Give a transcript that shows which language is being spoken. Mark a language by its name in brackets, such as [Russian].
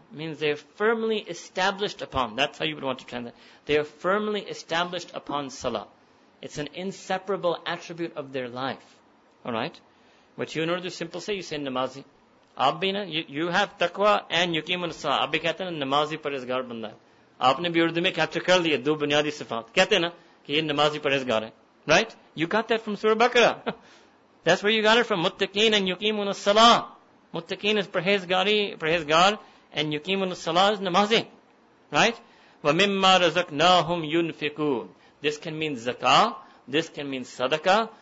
[English] Means they are firmly established upon. That's how you would want to translate. They are firmly established upon salah. It's an inseparable attribute of their life. Alright? What you in order to simply say, you say namazi. Abina, you have taqwa and yuqeemun salah. [Urdu] ابھی کہتے نا نمازی پرہیزگار بندہ ہے. آپ نے بھی اردو میں capture کر لیا دو بنیادی صفت. کہتے نا کہ یہ نمازی پرہیزگار ہے. [English] Right? You got that from Surah Baqarah. That's where you got it from. Muttaqeen and yuqeemun salah. Muttaqeen is parhezgar and yuqeemun salah is namazi. Right? [Arabic] Wa mimma razaqnahum yunfiqoon. This can mean zakah. [English] This can mean sadaqah.